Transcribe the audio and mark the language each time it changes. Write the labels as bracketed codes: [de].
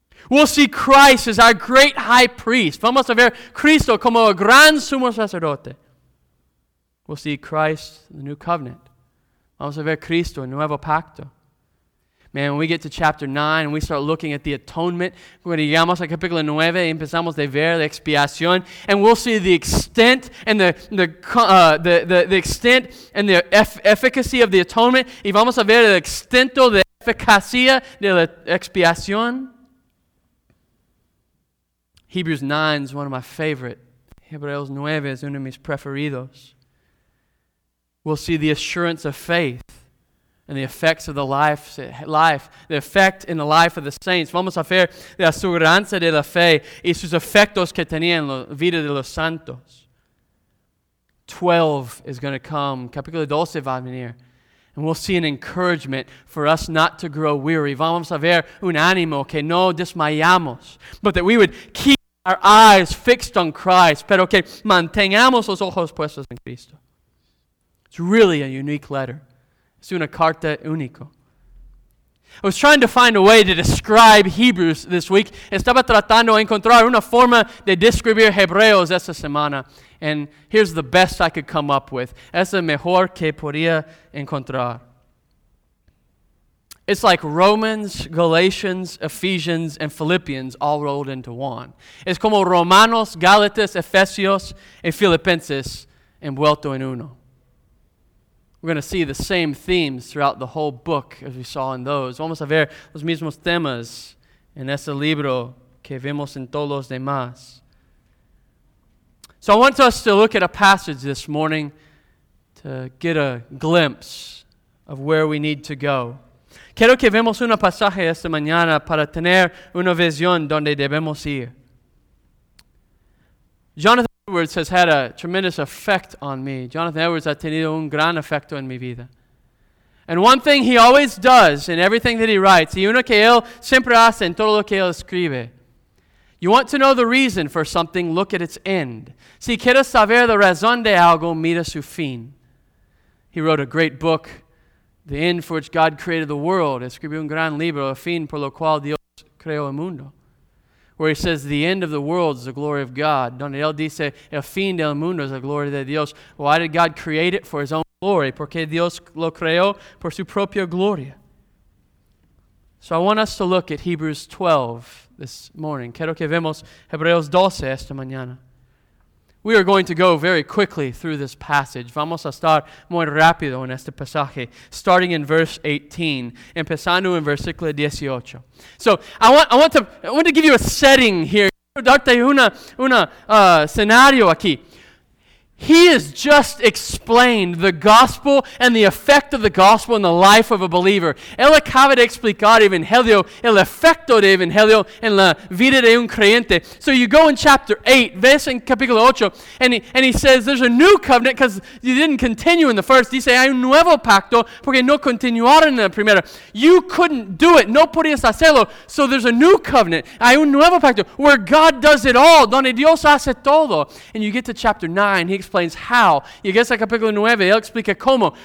[en] We'll see Christ as our great high priest. [es] Vamos a ver Cristo como el gran sumo sacerdote. [en] We'll see Christ in the new covenant. [es] Vamos a ver Cristo en nuevo pacto. [en] Man, when we get to chapter 9 and we start looking at the atonement, [es] cuando llegamos al capítulo 9 y empezamos a ver la expiación, [en] and we'll see the extent and the extent and the efficacy of the atonement, [es] y vamos a ver el extento de eficacia de la expiación. [en] Hebrews 9 is one of my favorite. [es] Hebreos 9 es uno de mis preferidos. [en] We'll see the assurance of faith and the effects of the life, the effect in the life of the saints. [es] Vamos a ver la aseguranza de la fe y sus efectos que tenían en la vida de los santos. [en] 12 is going to come. [es] Capítulo 12 va a venir. [en] And we'll see an encouragement for us not to grow weary. [es] Vamos a ver un ánimo que no desmayamos, [en] but that we would keep our eyes fixed on Christ, [es] pero que mantengamos los ojos puestos en Cristo. [en] It's really a unique letter. [es] Es una carta único. [en] I was trying to find a way to describe Hebrews this week. [es] Estaba tratando de encontrar una forma de describir Hebreos esta semana. [en] And here's the best I could come up with. [es] Es el mejor que podía encontrar. [en] It's like Romans, Galatians, Ephesians, and Philippians all rolled into one. [es] Es como Romanos, Gálatas, Efesios, y Filipenses envuelto en uno. [en] We're going to see the same themes throughout the whole book as we saw in those. [es] Vamos a ver los mismos temas en ese libro que vimos en todos los demás. [en] So I want us to look at a passage this morning to get a glimpse of where we need to go. [es] Quiero que vemos un pasaje esta mañana para tener una visión donde debemos ir. [en] Jonathan Edwards has had a tremendous effect on me. [es] Jonathan Edwards ha tenido un gran efecto en mi vida. [en] And one thing he always does in everything that he writes, [es] y uno que él siempre hace en todo lo que él escribe, [en] you want to know the reason for something, look at its end. [es] Si quieres saber la razón de algo, mira su fin. [en] He wrote a great book, The End for Which God Created the World. [es] Escribió un gran libro, El Fin por lo cual Dios Creó el Mundo, [en] where he says the end of the world is the glory of God. [es] Donde él dice, el fin del mundo es la gloria de Dios. [en] Why did God create it? For his own glory. [es] Porque Dios lo creó por su propia gloria. [en] So I want us to look at Hebrews 12 this morning. [es] Quiero que vemos Hebreos 12 esta mañana. [en] We are going to go very quickly through this passage. [es] Vamos a estar muy rápido en este pasaje, [en] starting in verse 18, [es] empezando en versículo 18. [en] So I want to give you a setting here, [es] darte una escenario aquí. [en] He has just explained the gospel and the effect of the gospel in the life of a believer. [es] Él acaba de explicar Evangelio, el efecto de Evangelio en la vida de un creyente. [en] So you go in chapter 8, [es] ves en capítulo 8, [en] and he says there's a new covenant because you didn't continue in the first. [es] Dice, hay un nuevo pacto porque no continuaron en la primera. [en] You couldn't do it. [es] No podías hacerlo. [en] So there's a new covenant. [es] Hay un nuevo pacto [en] where God does it all. [es] Donde Dios hace todo. [en] And you get to chapter 9. He explains how. [es] Y en el capítulo 9, él explica cómo.